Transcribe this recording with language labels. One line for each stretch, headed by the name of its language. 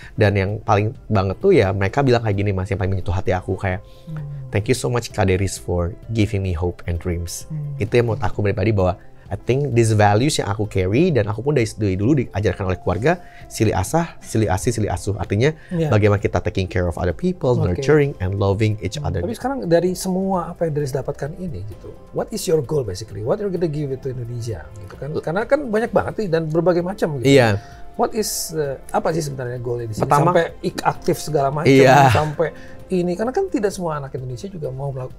Indonesian: Dan yang paling banget tuh ya mereka bilang kayak gini mas, yang paling menyentuh hati aku kayak
English: thank you so much Kak Deris for giving me hope and dreams.
Indonesian: Itu yang menurut aku pribadi bahwa
English: I think these values
Indonesian: yang aku carry dan aku pun dari dulu diajarkan oleh keluarga, sili asah, sili asih, sili asuh. Artinya bagaimana kita
English: taking care of other people, nurturing and loving each other.
Indonesian: Tapi sekarang dari semua apa yang Deris dapatkan ini gitu,
English: what is your goal basically? What you're gonna give it to Indonesia?
Indonesian: Gitu kan? Karena kan banyak banget nih dan berbagai macam gitu. Iya.
English: What is
Indonesian: apa sih sebenarnya goalnya di sini? Sampai aktif segala macam, sampai ini, karena kan tidak semua anak Indonesia juga mau melakukan.